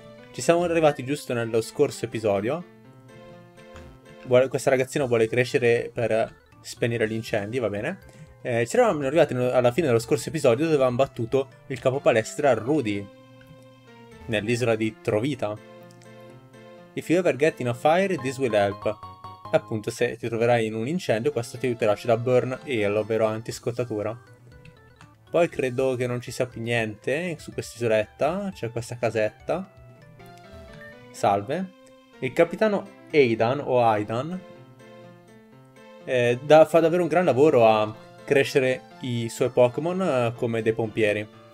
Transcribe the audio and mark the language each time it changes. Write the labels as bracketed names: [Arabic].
[Italian] Ci siamo arrivati giusto nello scorso episodio. Questa ragazzina vuole crescere per spegnere gli incendi, va bene. Ci eravamo arrivati alla fine dello scorso episodio dove avevamo battuto il capo palestra Rudy nell'isola di Trovita. [English] If you ever get in a fire, this will help. [Italian] Appunto, se ti troverai in un incendio, questo ti aiuterà. C'è da burn ale, ovvero antiscottatura. Poi credo che non ci sia più niente su quest'isoletta. C'è questa casetta. Salve. Il capitano Aidan o Aidan fa davvero un gran lavoro a crescere i suoi Pokémon come dei pompieri.